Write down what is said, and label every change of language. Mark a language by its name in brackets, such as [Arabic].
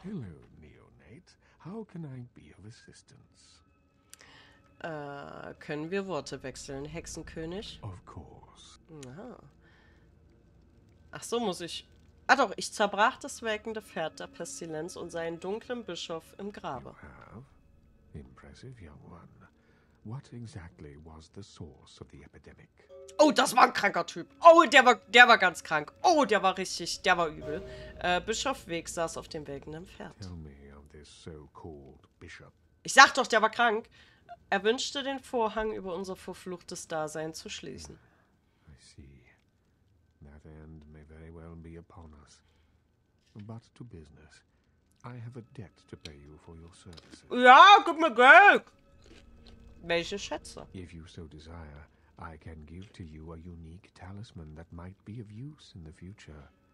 [English] Hello, Neonate. How can I be of assistance? [German] Können wir Worte wechseln, Hexenkönig? [English] Of course. [German] Aha. Ach so, muss ich... Ah doch, ich zerbrach das welkende Pferd der Pestilenz und seinen dunklen Bischof im Grabe. [English] You have? Impressive, young one. What exactly was the source of the epidemic? [German] Oh, das war ein kranker Typ. Oh, der war ganz krank. Oh, der war richtig, der war übel. Bischof Weg saß auf dem welkenden Pferd. [English] Tell me of this so-called bishop. [German] Ich sag doch, der war krank. Er wünschte, den Vorhang über unser verfluchtes Dasein zu schließen. [English] I see. That end may very well be upon us. But to business. I have a debt to pay you for your services. [German] Ja, gib mir Geld! Welche Schätze? [English] If you so desire, I can give to you a unique talisman that might be of use in the future.